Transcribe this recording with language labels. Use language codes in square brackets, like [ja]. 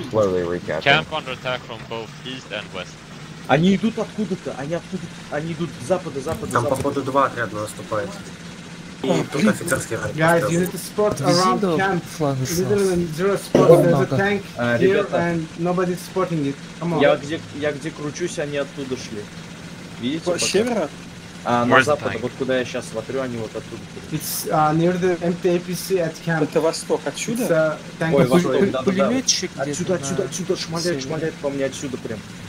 [en] Camp under attack from both east and west. [ru] Они идут откуда-то, они идут с запада, запада. Там походу два отряда наступает. [en] Guys, you need to spot around camp. Literally zero spot. There's a tank here and nobody's spotting it. Come on. [ru] Я где кручусь, они оттуда шли. Видите? С севера? А на запад, вот куда я сейчас смотрю, они вот оттуда. [en] It's near the MTAPC at camp. [ru] Это восток, отсюда? Ой, восток, да, да, да. Отсюда, шмаляет по мне отсюда прям.